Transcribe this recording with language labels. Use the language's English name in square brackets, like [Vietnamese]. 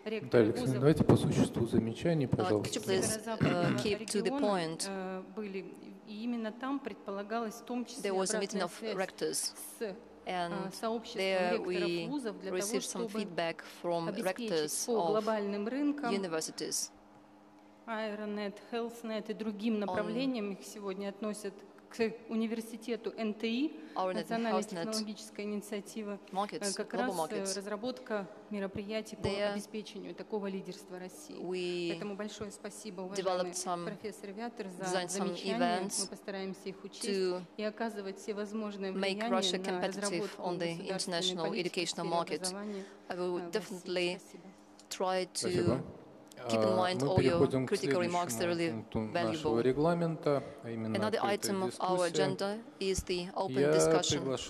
[Russian] Да, Алексей, давайте по существу замечания, пожалуйста. [English] Could you please keep to the point? [Russian] И именно там предполагалось в том числе [English] there was a meeting of rectors, and there we received some feedback from rectors of universities. [Russian] Аэронет, Хелснет и другим направлениям их сегодня относят к университету НТИ, Национальная технологическая инициатива, как раз разработка мероприятий по обеспечению такого лидерства России. Поэтому большое спасибо, уважаемый профессор Вятер, за замечания. Мы постараемся их учесть и оказывать все возможные влияния на разработку государственной политики в образовании. Спасибо. [English] Keep in mind all your critical remarks, they're really valuable. Another item of our agenda is the open discussion.